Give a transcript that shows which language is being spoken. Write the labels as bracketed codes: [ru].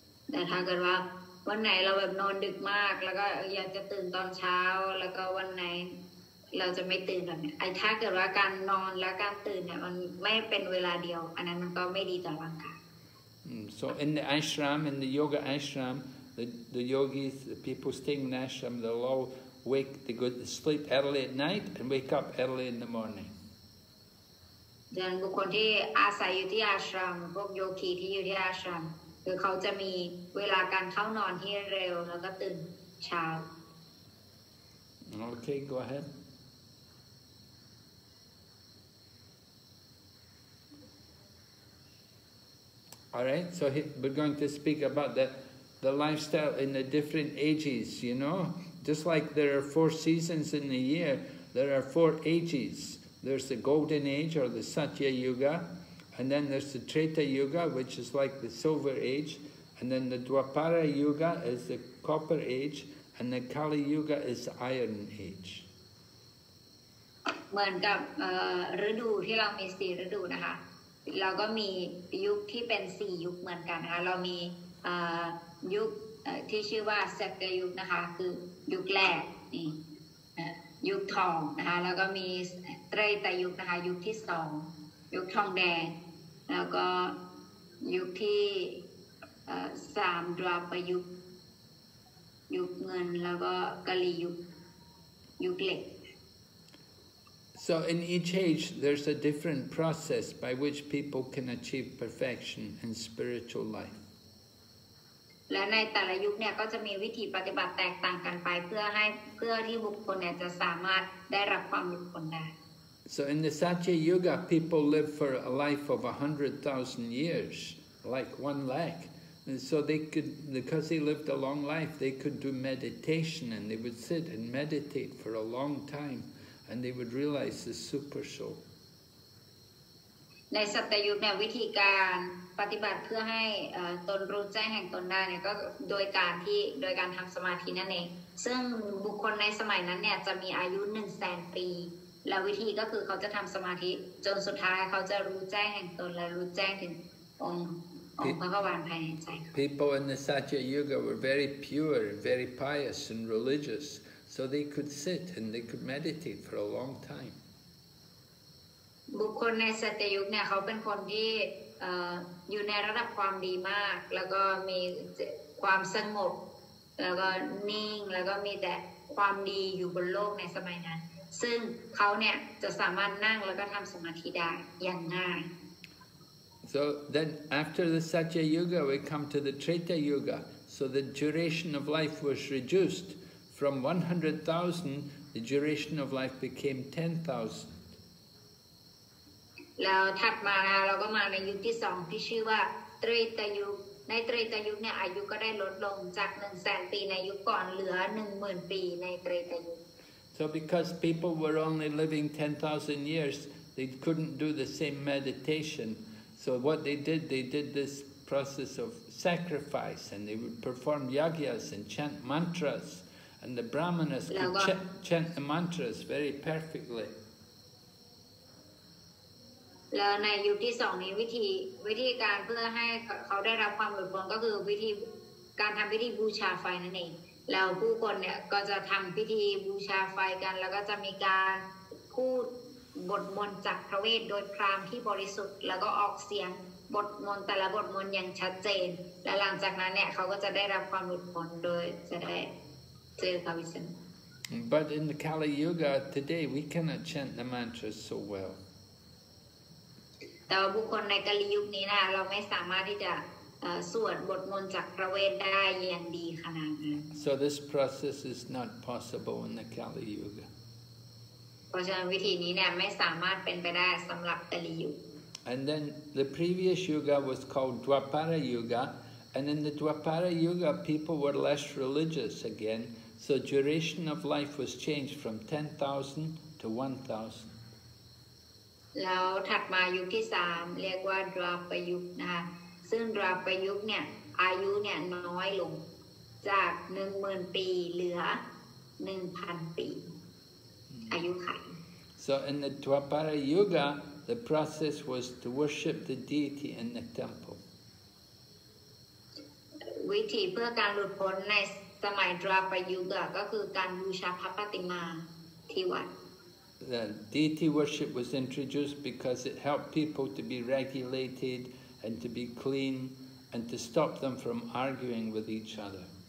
[th] แต่ถ้าเกิดว่าวันไหนเราแบบนอนดึกมากแล้วก็อยากจะตื่นตอนเช้าแล้วก็วันไหนเราจะไม่ตื่นแบบนี้ไอ้ถ้าเกิดว่าการนอนและการตื่นเนี่ยมันไม่เป็นเวลาเดียวอันนั้นมันก็ไม่ดีต่อร่างกาย [en] So in the ashram, in the yoga ashram, the yogis, the people staying in the ashram, they'll all wake, they go to sleep early at night and wake up early in the morning. [th] ดังนั้นบุคคลที่อาศัยอยู่ที่อาชรามพวกโยคีที่อยู่ที่อาชรามคือเขาจะมีเวลาการเข้านอนที่เร็วแล้วก็ตื่นเช้า [en] Okay, go ahead. All right, so we're going to speak about the lifestyle in the different ages, you know? Just like there are four seasons in the year, there are four ages. There's the Golden Age, or the Satya Yuga, and then there's the Treta Yuga, which is like the Silver Age, and then the Dwapara Yuga is the Copper Age, and the Kali Yuga is the Iron Age. [th] เหมือนกับฤดูที่เรามี4ฤดูนะคะเราก็มียุคที่เป็น4ยุคเหมือนกันนะคะเรามียุคที่ชื่อว่าสักกายุคนะคะคือยุคแรกนี่ยุคทองนะคะแล้วก็มีเตรตยุคนะคะยุคที่2ยุคทองแดงแล้วก็ยุคที่3ดวาปรยุคยุคเงินแล้วก็กาลียุคยุคเหล็ก [en] So in each age, there's a different process by which people can achieve perfection in spiritual life. [th] และในแต่ละยุคเนี่ยก็จะมีวิธีปฏิบัติแตกต่างกันไปเพื่อที่บุคคลเนี่ยจะสามารถได้รับความหลุดพ้นได้ [en] So in the Satya Yuga, people live for a life of 100,000 years, like 1 lakh. And so they could, because they lived a long life, they could do meditation and they would sit and meditate for a long time. And they would realize the super soul. [th] ในสัตยุคเนี่ยวิธีการปฏิบัติเพื่อให้ตนรู้แจ้งแห่งตนได้เนี่ยก็โดยการทำสมาธินั่นเองซึ่งบุคคลในสมัยนั้นเนี่ยจะมีอายุ 100,000 ปีและวิธีก็คือเขาจะทำสมาธิจนสุดท้ายเขาจะรู้แจ้งแห่งตนและรู้แจ้งถึงองค์พระพุทธภายในใจ [en] People in the Satya Yuga were very pure, very pious and religious. So they could sit and they could meditate for a long time. [th] บุคคลในสัตยุคเนี่ยเขาเป็นคนที่อยู่ในระดับความดีมากแล้วก็มีความสงบแล้วก็นิ่งแล้วก็มีแต่ความดีอยู่บนโลกในสมัยนั้นซึ่งเขาเนี่ยจะสามารถนั่งแล้วก็ทำสมาธิได้อย่างง่าย [en] So then after the Satya Yuga we come to the Treta Yuga. So the duration of life was reduced. From 100,000, the duration of life became 10,000. [th] แล้วถัดมานะเราก็มาในยุคที่2ที่ชื่อว่าเตรตยุคในเตรตยุคเนี่ยอายุก็ได้ลดลงจาก 100,000 ปีในยุคก่อนเหลือ 10,000 ปีในเตรตยุค [en] So because people were only living 10,000 years, they couldn't do the same meditation. So what they did this process of sacrifice and they would perform yagyas and chant mantras and the brahmanas could chant the mantras very perfectly. [th] แล้วในยุคที่สองนี้วิธีการเพื่อให้เขาได้รับความอวยพรก็คือวิธีการทำพิธีบูชาไฟนั่นเองแล้วผู้คนเนี่ยก็จะทำพิธีบูชาไฟกันแล้วก็จะมีการพูดบทมนต์จากพระเวทโดยพราหมณ์ที่บริสุทธิ์แล้วก็ออกเสียงบทมนต์แต่ละบทมนต์อย่างชัดเจนและหลังจากนั้นเนี่ยเขาก็จะได้รับความอวยพรโดยจะได้เจอพระวิษณุ [en] But in the Kali Yuga today we cannot chant the mantras so well. [th] แต่บุคคลในกาลยุคนี้นะเราไม่สามารถที่จะสวดบทมนต์จากพระเวทได้อย่างดีขนาดนั้น [en] So this process is not possible in the Kali Yuga. [th] เพราะฉะนั้นวิธีนี้เนี่ยไม่สามารถเป็นไปได้สำหรับกาลยุค [en] And then the previous yuga was called Dwapara Yuga, and in the Dwapara Yuga, people were less religious again, so duration of life was changed from 10,000 to 1,000. [th] แล้วถัดมายุคที่3เรียกว่าดรอปยุคนะคะซึ่งดรอปยุคเนี่ยอายุเนี่ยน้อยลงจาก 10,000 ปีเหลือ 1,000 ปีอายุขัย [en] So in the Dwapara Yuga the process was to worship the deity in the temple [th] วิธีเพื่อการหลุดพ้นในสมัยดรอปยุคก็คือการบูชาพระปฏิมาที่วัด [en] The deity worship was introduced because it helped people to be regulated and to be clean and to stop them from arguing with each other.